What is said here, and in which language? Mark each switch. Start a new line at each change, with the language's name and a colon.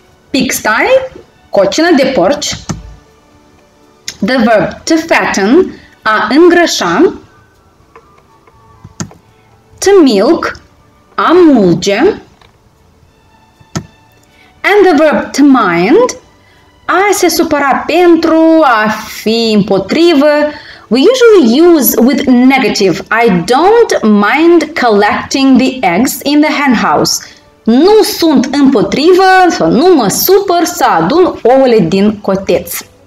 English: Pigsty,
Romanian: cocină de porci.
English: The verb to fatten,
Romanian: a îngrășa.
English: To milk,
Romanian: a mulge.
English: And the verb to mind,
Romanian: a se supăra pentru, a fi împotrivă.
English: We usually use with negative. I don't mind collecting the eggs in the hen house.
Romanian: Nu sunt împotrivă, sau nu mă supăr să adun ouăle din coteț.